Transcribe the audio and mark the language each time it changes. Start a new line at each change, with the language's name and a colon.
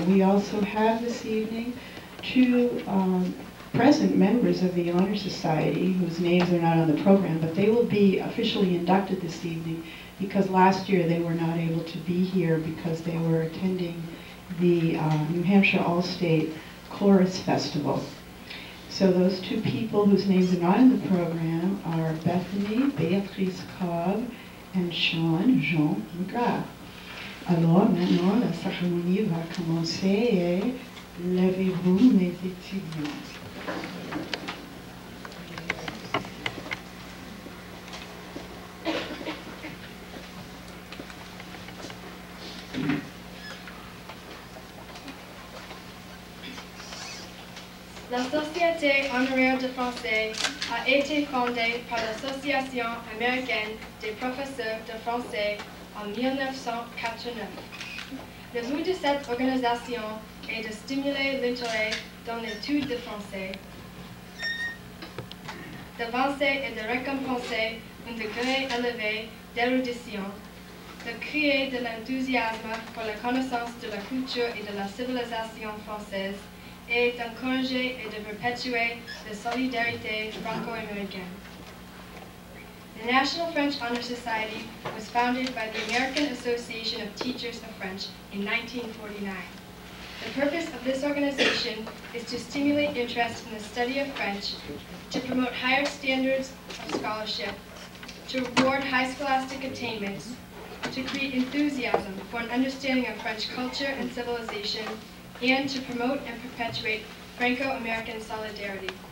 English: We also have this evening two present members of the Honor Society whose names are not on the program, but they will be officially inducted this evening because last year they were not able to be here because they were attending the New Hampshire All-State Chorus Festival. So those two people whose names are not in the program are Bethany, Beatrice Cobb, and Sean Jean McGrath.
French: Alors maintenant, la cérémonie va commencer et lavez-vous mes étudiants. La Société Honoraire de Français a été fondée par l'Association américaine des professeurs de français en 1989. Le but de cette organisation est de stimuler l'intérêt dans l'étude de français. de vencer et de récompenser un degré élevé d'érudition, de créer de l'enthousiasme pour la connaissance de la culture et de la civilisation française, et d'encourager et de perpétuer la solidarité franco-américaine.
English: The National French Honor Society was founded by the American Association of Teachers of French in 1949. The purpose of this organization is to stimulate interest in the study of French, to promote higher standards of scholarship, to reward high scholastic attainments, to create enthusiasm for an understanding of French culture and civilization, and to promote and perpetuate Franco-American solidarity.